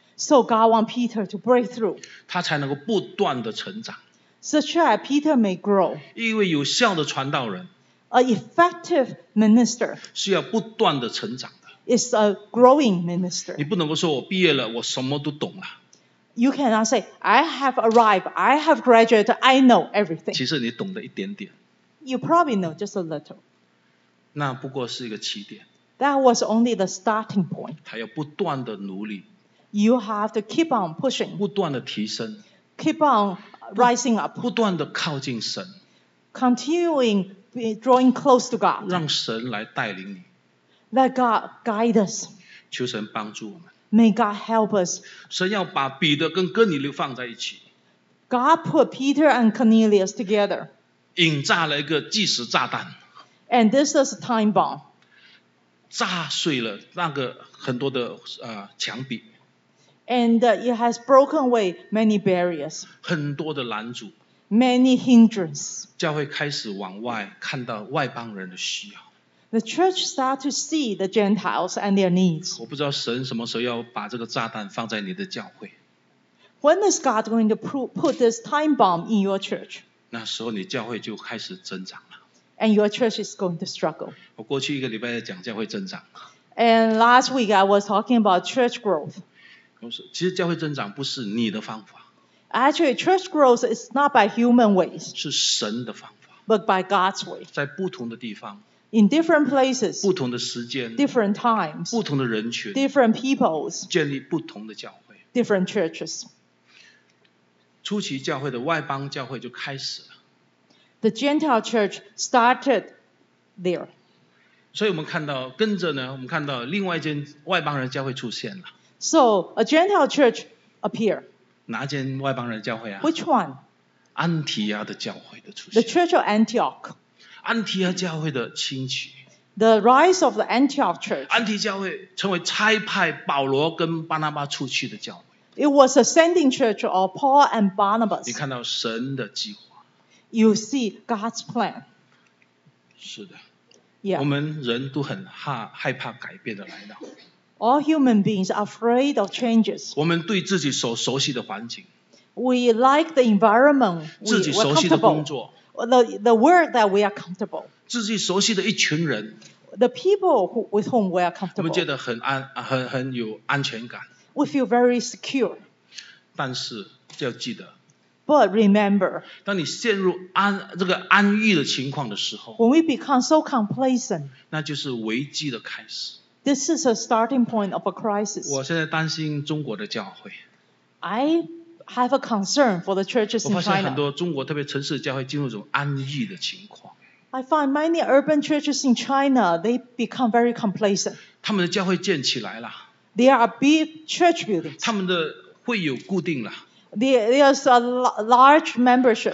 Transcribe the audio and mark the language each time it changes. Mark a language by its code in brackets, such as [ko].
[en] So God wants Peter to break through. [zh] 他才能够不断的成长。 [en] Such that Peter may grow. [zh] 因为有效的传道人。 [en] An effective minister. [zh] 是要不断的成长的。 [en] Is a growing minister. [zh] 你不能够说我毕业了，我什么都懂了。 [en] You cannot say, I have arrived, I have graduated, I know everything. [zh] 其实你懂得一点点。 [en] You probably know just a little. [zh] 那不过是一个起点。 [en] That was only the starting point. [zh] 他要不断的努力。 [en] You have to keep on pushing. [zh] 不断的提升。 [en] Keep on rising up. [zh] 不断的靠近神。 [en] Continuing drawing close to God. [zh] 让神来带领你。 [en] Let God guide us. [zh] 求神帮助我们。 [en] May God help us. [zh] 神要把彼得跟哥尼流放在一起。 [en] God put Peter and Cornelius together. [zh] 引炸了一个即时炸弹。 [en] And this is a time bomb. [zh] 炸碎了那个很多的墙壁。 [en] And it has broken away many barriers. [zh] 很多的拦阻。 [en] Many hindrances. [zh] 教会开始往外看到外邦人的需要。 [en] The church start to see the Gentiles and their needs. [zh] 我不知道神什么时候要把这个炸弹放在你的教会。 [en] When is God going to put this time bomb in your church? [zh] 那时候你教会就开始增长了。 [en] And your church is going to struggle. [zh] 我过去一个礼拜在讲教会增长。 [en] And last week I was talking about church growth. [zh] 其实教会增长不是你的方法。 [en] Actually, church growth is not by human ways. [zh] 是神的方法。 [en] But by God's way. [zh] 在不同的地方。 [en] In different places. [zh] 不同的时间。 [en] Different times. [zh] 不同的人群。 [en] Different peoples. [zh] 建立不同的教会。 [en] Different churches. [zh] 初期教会的外邦教会就开始了。 [en] The Gentile church started there. [zh] 所以我们看到，跟着呢，我们看到另外一间外邦人教会出现了。 [en] So, a Gentile church appeared. [zh] 哪间外邦人教会啊？ [en] Which one? [zh] 安提亚的教会的出现。 [en] The church of Antioch. [zh] 安提亚教会的兴起。 [en] The rise of the Antioch church. [zh] 安提教会成为差派保罗跟巴拿巴出去的教会。 [en] It was a sending church of Paul and Barnabas. [zh] 你看到神的计划。 [en] You see God's plan. [zh] 是的。 [en] Yeah. [zh] 我们人都很害怕改变的来到。 [en] All human beings are afraid of changes. [zh] 我们对自己所熟悉的环境。 [en] We like the environment. [zh] 自己熟悉的工作。 [en] The work that we are comfortable. [zh] 自己熟悉的一群人。 [en] The people with whom we are comfortable. [zh] 我们觉得很有安全感。 [en] We feel very secure. [zh] 但是要记得。 [en] But remember, [zh] 当你陷入这个安逸的情况的时候， [en] when we become so complacent, [zh] 那就是危机的开始。 [en] This is a starting point of a crisis. [zh] 我现在担心中国的教会。 [en] I have a concern for the churches in China. [zh] 我发现很多中国特别城市的教会进入一种安逸的情况。 [en] I find many urban churches in China, they become very complacent. [zh] 他们的教会建起来了。 [en] There are big church buildings. [zh] 他们的会有固定了。 [en] There is a large membership.